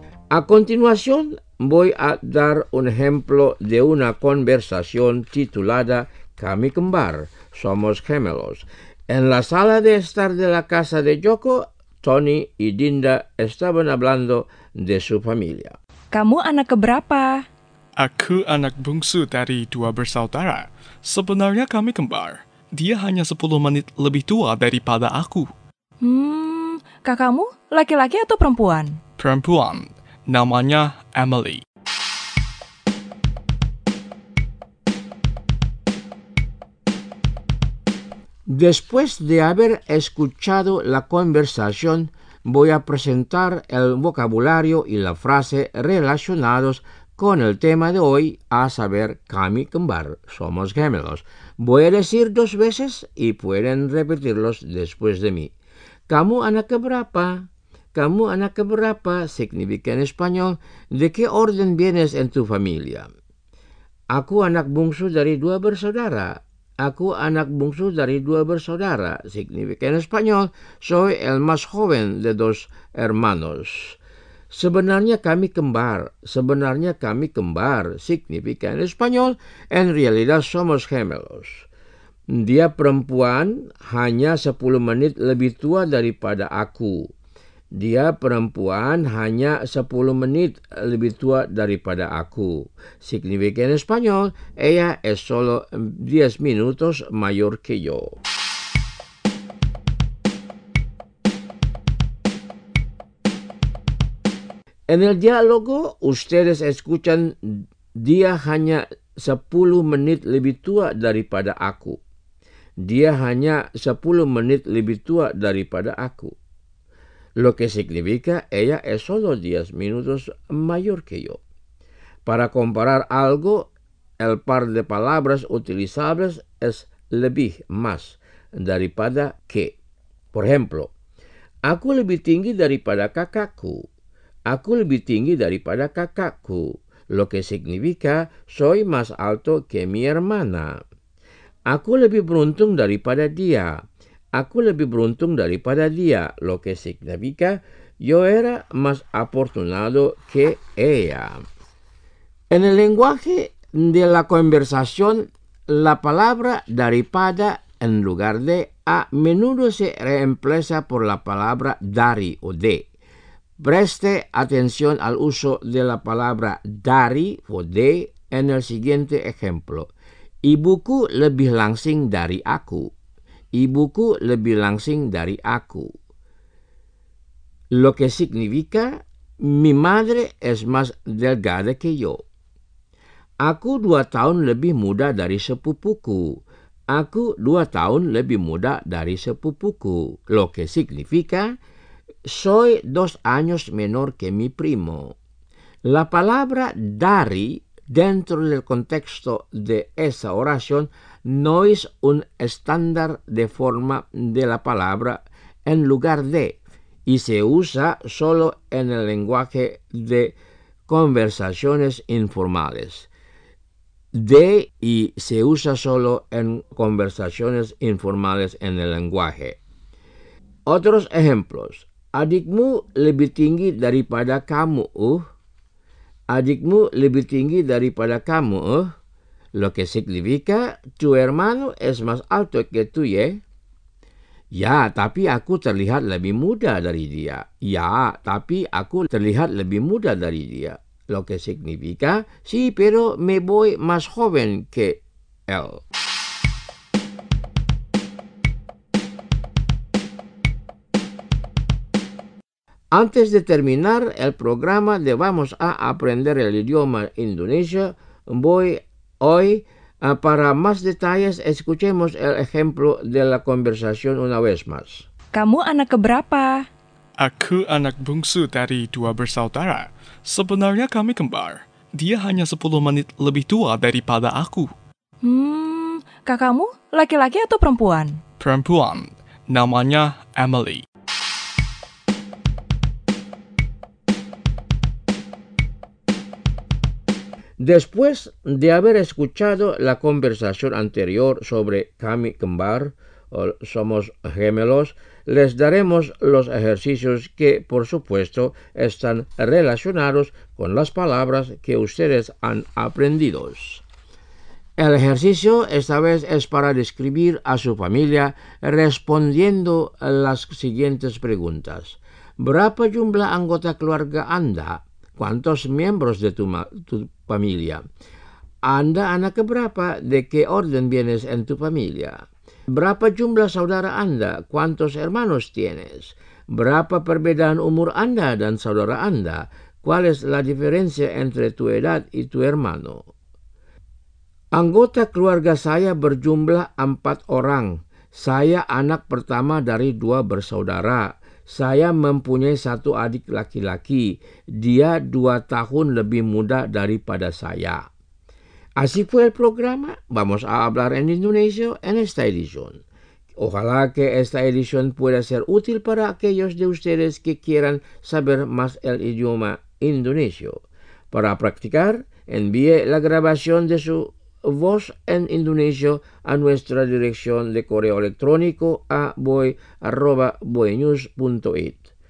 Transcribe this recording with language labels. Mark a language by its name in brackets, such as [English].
[Spanish] A continuación voy a dar un ejemplo de una conversación titulada Kami Kembar, Somos Gemelos. En la sala de estar de la casa de Yoko, Tony y Dinda estaban hablando de su familia. [Indonesian] ¿Kamu anak keberapa? Aku anak bungsu dari dua bersaudara. Sebenarnya kami kembar. Dia hanya 10 menit lebih tua daripada aku. Kakakmu laki-laki atau perempuan? Perempuan. Namanya Emily. [Spanish] Después de haber escuchado la conversación, voy a presentar el vocabulario y la frase relacionados con el tema de hoy, a saber, kami kembar, somos gemelos. Voy a decir dos veces y pueden repetirlos después de mí. [Indonesian] Kamu anak keberapa? Kamu anak keberapa [Spanish] significa en español, ¿de qué orden vienes en tu familia? [Indonesian] Aku anak bungsu dari dua bersaudara. Aku anak bungsu dari dua bersaudara. [Spanish] Significa en español, soy el más joven de dos hermanos. [Indonesian] Sebenarnya kami kembar. Sebenarnya kami kembar. [Spanish] Significa en español, en realidad somos gemelos. [Indonesian] Dia perempuan hanya 10 menit lebih tua daripada aku. Dia perempuan hanya 10 menit lebih tua daripada aku. [Spanish] Significa en español, ella es solo 10 minutos mayor que yo. En el diálogo, ustedes escuchan, [Indonesian] dia hanya 10 menit lebih tua daripada aku. Dia hanya 10 menit lebih tua daripada aku. [Spanish] Lo que significa, ella es solo 10 minutos mayor que yo. Para comparar algo, el par de palabras utilizables es lebih, más, daripada que. Por ejemplo, [Indonesian] aku lebih tinggi daripada kakakku. Aku lebih tinggi daripada kakakku. [Spanish] Lo que significa, soy más alto que mi hermana. [Indonesian] Aku lebih beruntung daripada dia. Aku lebih beruntung daripada dia, [Spanish] lo que significa yo era más afortunado que ella. En el lenguaje de la conversación, la palabra daripada en lugar de a menudo se reemplaza por la palabra dari o de. Preste atención al uso de la palabra dari o de en el siguiente ejemplo. [Indonesian] Ibuku lebih langsing dari aku. Ibuku lebih langsing dari aku. [Spanish] Lo que significa, mi madre es más delgada que yo. [Indonesian] Aku 2 tahun lebih muda dari sepupuku. Aku 2 tahun lebih muda dari sepupuku. [Spanish] Lo que significa, soy 2 años menor que mi primo. La palabra dari, dentro del contexto de esa oración, no es un estándar de forma de la palabra en lugar de, y se usa solo en el lenguaje de conversaciones informales. De y se usa solo en conversaciones informales en el lenguaje. Otros ejemplos. [Indonesian] Adikmu lebih tinggi daripada kamu. Adikmu lebih tinggi daripada kamu. [Spanish] Lo que significa, tu hermano es más alto que tú, ¿eh? [Indonesian] Ya, tapi aku terlihat lebih muda dari dia. Ya, tapi aku terlihat lebih muda dari dia. [Spanish] Lo que significa, sí, pero me voy más joven que él. Antes de terminar el programa de Vamos a Aprender el Idioma Indonesia, voy a... Hoy, para más detalles, escuchemos el ejemplo de la conversación una vez más. [Indonesian] ¿Kamu anak keberapa? Aku anak bungsu dari dua bersaudara. Sebenarnya kami kembar. Dia hanya 10 menit lebih tua daripada aku. Kakakmu laki-laki atau perempuan? Perempuan. Namanya Emily. [Spanish] Después de haber escuchado la conversación anterior sobre kami kembar, o somos gemelos, les daremos los ejercicios que, por supuesto, están relacionados con las palabras que ustedes han aprendido. El ejercicio esta vez es para describir a su familia respondiendo las siguientes preguntas. [Indonesian] ¿Berapa jumlah anggota keluarga Anda? [Spanish] ¿Cuántos miembros de tu familia? [Indonesian] ¿Anda anak keberapa? [Spanish] ¿De qué orden vienes en tu familia? [Indonesian] ¿Berapa jumlah saudara Anda? [Spanish] ¿Cuántos hermanos tienes? [Indonesian] ¿Berapa perbedaan umur Anda dan saudara Anda? [Spanish] ¿Cuál es la diferencia entre tu edad y tu hermano? [Indonesian] Anggota keluarga saya berjumlah 4 orang. Saya anak pertama dari 2 bersaudara. Saya mempunyai 1 adik laki-laki. Dia 2 tahun lebih muda daripada saya. [Spanish] Así fue el programa. Vamos a hablar en indonesio en esta edición. Ojalá que esta edición pueda ser útil para aquellos de ustedes que quieran saber más el idioma indonesio. Para practicar, envíe la grabación de su voz en indonesio a nuestra dirección de correo electrónico a boy@boynews.it.